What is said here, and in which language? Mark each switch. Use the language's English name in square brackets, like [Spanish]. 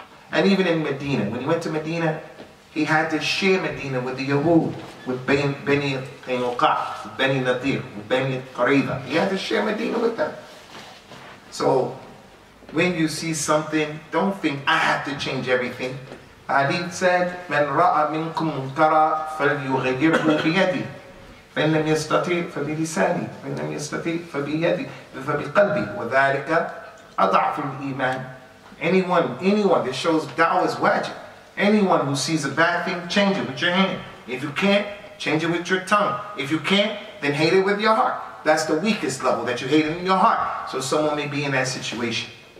[English] And even in Medina, when he went to Medina, he had to share Medina with the Yahud, with Bani Qaynuqa, with Bani Nadir, with Bani Qurayza. He had to share Medina with them. So when you see something, don't think, I have to change everything. Hadith said, [Arabic] من رأى منكم منكرا فليغيره بيدي فإن لم يستطيع فبلساني فإن لم يستطيع فبيدي فبقلبي وذلك أضعف الإيمان. [English] Anyone that shows da'wah is wajib. Anyone who sees a bad thing, change it with your hand. If you can't, change it with your tongue. If you can't, then hate it with your heart. That's the weakest level, that you hate it in your heart. So someone may be in that situation.